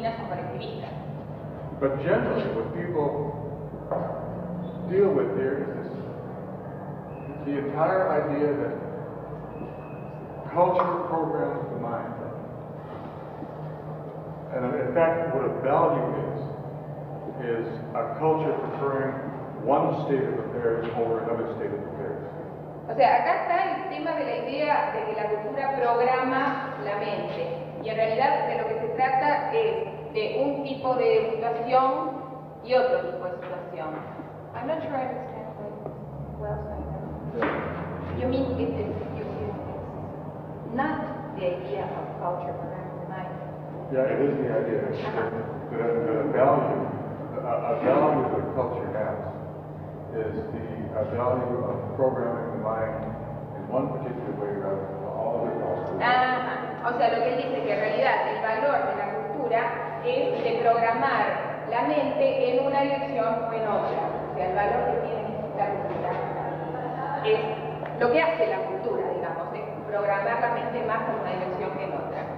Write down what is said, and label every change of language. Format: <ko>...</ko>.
<en>But generally, what people deal with here is the entire idea that culture programs the mind. And in fact, what a value is a culture preferring one state of affairs over another state of affairs.</en> <es>O sea, acá está el tema de la idea de que la cultura programa la mente. Y en realidad de lo que se trata es de un tipo de situación y otro tipo de situación.</es> <en>I'm not sure I understand well, so you mean it's not the idea of culture program in mind? Yeah, it is the idea that a value that culture has is the value of programming the mind in one particular way rather than all the</en> <es>O sea, lo que él dice es que en realidad el valor de la cultura es de programar la mente en una dirección o en otra. O sea, el valor que tiene esta cultura es lo que hace la cultura, digamos, es programar la mente más en una dirección que en otra.</es>